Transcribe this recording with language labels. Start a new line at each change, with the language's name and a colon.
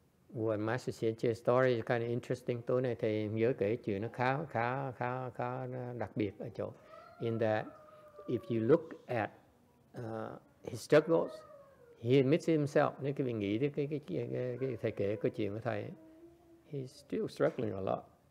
English: What Master Xie Chia story is kind of interesting.
Vietnamese: Tối nay thầy nhớ kể chuyện nó khá đặc biệt ở chỗ.
English: In that, if you look at his struggles, he admits it himself.
Vietnamese: Nếu quý vị nghĩ tới cái thầy kể cái chuyện của thầy,
English: he's still struggling a lot.